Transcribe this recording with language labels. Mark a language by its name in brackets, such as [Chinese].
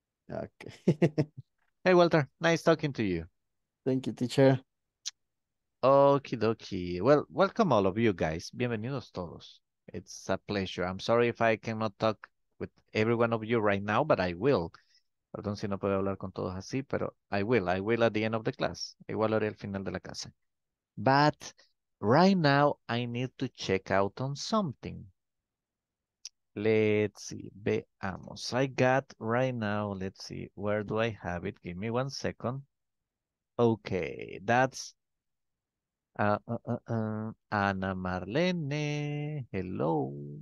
[English] Okay. Hey, Walter, nice talking to you. Thank you, teacher. Okie dokie. Well, welcome all of you guys. [Spanish] Bienvenidos todos. [English] It's a pleasure. I'm sorry if I cannot talk with every one of you right now, but I will. [Spanish] Perdón si no puedo hablar con todos así, pero [English] I will. I will at the end of the class. [Spanish] Igual haré al final de la clase. [English] But right now, I need to check out on something. Let's see. Veamos. I got right now, let's see. Where do I have it? Give me 1 second. Okay, that's Ana Marlene, hello.